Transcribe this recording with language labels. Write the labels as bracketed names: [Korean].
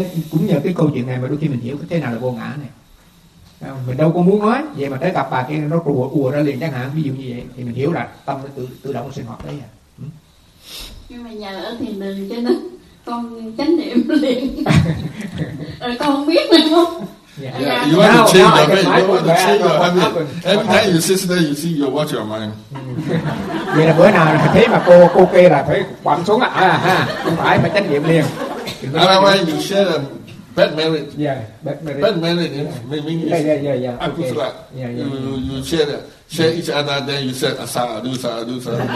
[Vietnamese] Cũng nhờ cái câu chuyện này mà đôi khi mình hiểu thế nào là vô ngã này. Mình đâu có muốn nói vậy mà tới gặp bà kia nó ùa ra liền chẳng hạn, ví dụ như vậy thì mình hiểu là tâm nó tự động sinh hoạt đấy. Nhưng mà nhờ ở thiền đường cho nên con chánh niệm liền. Rồi con không biết nữa không. [English] Yeah. You want to change your habit. You want to change your habit. Every time you sit there, you see you watch your mind. [Vietnamese] Vậy là bữa nào thấy mà cô kê là phải quẳng xuống ha, không phải mà trách nhiệm liền. [English] Otherwise, you share a bad merit. Yeah, bad merit. Bad merit, yeah. Maybe it's [Pali] Akusala. [English] You share that. Share each other, then you said sa-du-sa-du-sa.